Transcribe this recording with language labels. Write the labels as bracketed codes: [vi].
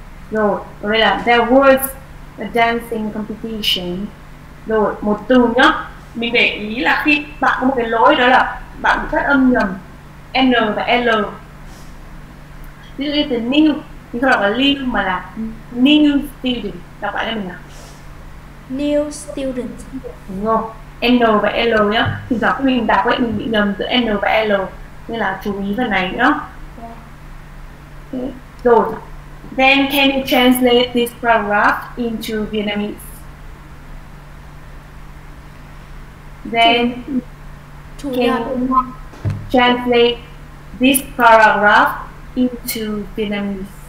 [vi] Rồi, đây là [en] there was a dancing competition. [vi] Rồi, một từ nhá, mình để ý là khi bạn có một cái lỗi đó là bạn phát âm nhầm N và L. Ví dụ như từ new, mình không đọc là new mà là new student. Đọc lại cho mình nào. [en] New student. [vi] Đúng không? N và L nhá. Thì giờ khi mình đọc ấy, mình bị nhầm giữa N và L. Nên là chú ý phần này nhá. Okay. Rồi. [en] Then can you translate this paragraph into Vietnamese? Then can you translate this paragraph into Vietnamese?